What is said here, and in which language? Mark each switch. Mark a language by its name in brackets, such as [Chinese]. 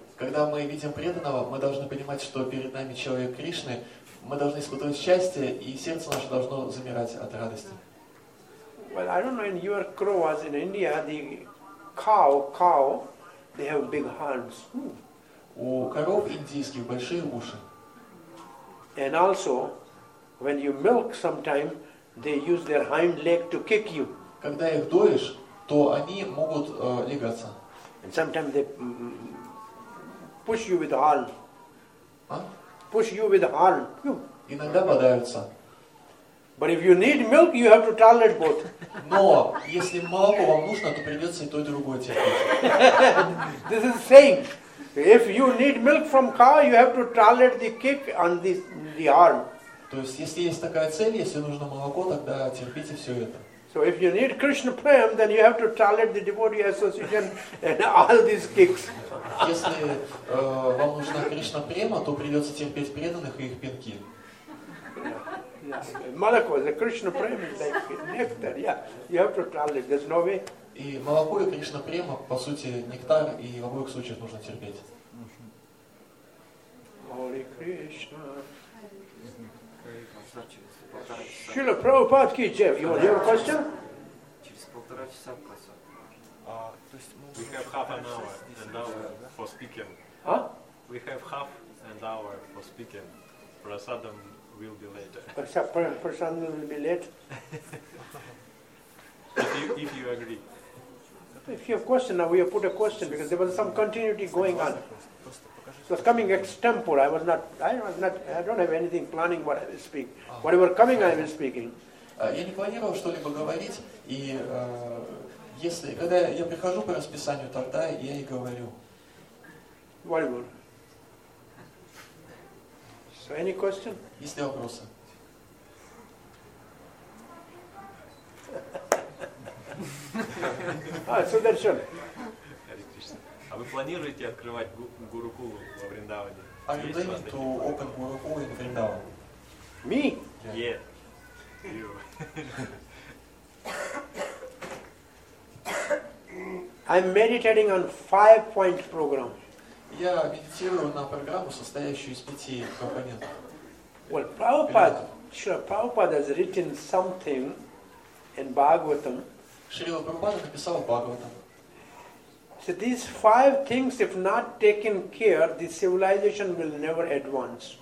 [Russian] Когда мы видим преданного, мы должны понимать, что перед нами человек Кришны. Мы должны испытывать счастье, и сердце наше должно замирать от радости. [English] Well, I don't know in your crows in India, the cow, they have big horns. [Russian] У коров индийских большие уши. [English] And also, when you milk sometime, they use their hind leg to kick you. [Russian] Когда их доишь, то они могут легаться. [English] And sometimes they push you with horn. Push you with horn. [Russian] Иногда бодаются. [English] But if you need milk, you have to tolerate both. [Russian] Но если молоко вам нужно, то придется и то и другое терпеть. [English] This is saying, if you need milk from cow, you have to tolerate the kick on the arm. [Russian] То есть если есть такая цель, если нужно молоко, тогда терпите все это. [English] So if you need Krishna prem, then you have to tolerate the devotee association and all these kicks. [Russian] Если вам нужна Кришна према, то придется терпеть преданных и их пинки. Молоко, [English] the Krishna prem is like nectar, yeah. You have to tolerate. There's no way. [Russian] И молоко и Кришна према, по сути, нектар, и в обоих случаях нужно терпеть. [English] Holy Krishna. Srila Prabhupada ki Jeff, you want to hear a question? [Russian] Через полтора часа в классе. [English] We have half an hour for speaking. Huh? We have half an hour for speaking. Prasadam will be later. Prasadam will be late. if you agree. If you have a question, now we have put a question because there was some continuity going on. It was coming extempore. I was not. I don't have anything planning what I will speak. Whatever coming, I will speaking. [Russian] Я не планировал что-либо говорить, и если когда я прихожу по расписанию, тогда я и говорю. [English] Whatever. So any question? [Russian] Есть ли вопросы? Сударшан. А вы планируете открывать гурукул во Вриндаване? [English] Are you planning to open гурукул in Vrindavan? Me? Yeah. I'm meditating on 5-point program. [Russian] Я медитирую на программу, состоящую из пяти компонентов. [English] Well, Prabhupada, sure, Prabhupada has written something in Bhagavatam. [Russian] Шрила Прабхупада написал в Бхагаватам. [English] So these five things, if not taken care, the civilization will never advance.